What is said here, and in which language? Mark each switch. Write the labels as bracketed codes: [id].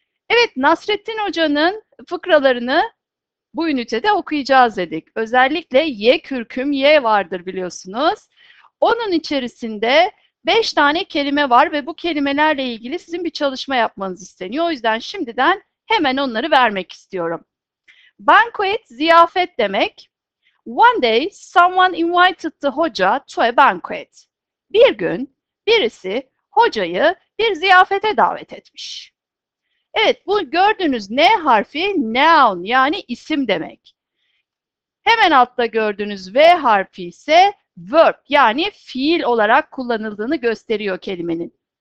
[tr] Evet, Nasrettin Hoca'nın fıkralarını bu ünitede okuyacağız dedik. Özellikle ye kürküm ye vardır biliyorsunuz. Onun içerisinde 5 tane kelime var ve bu kelimelerle ilgili sizin bir çalışma yapmanız isteniyor. O yüzden şimdiden hemen onları vermek istiyorum. Banquet ziyafet demek. [en] One day someone invited the hoca to a banquet. [tr] Bir gün birisi hocayı bir ziyafete davet etmiş. Evet, bu gördüğünüz N harfi noun yani isim demek. Hemen altta gördüğünüz V harfi ise verb yani fiil olarak kullanıldığını gösteriyor kelimenin.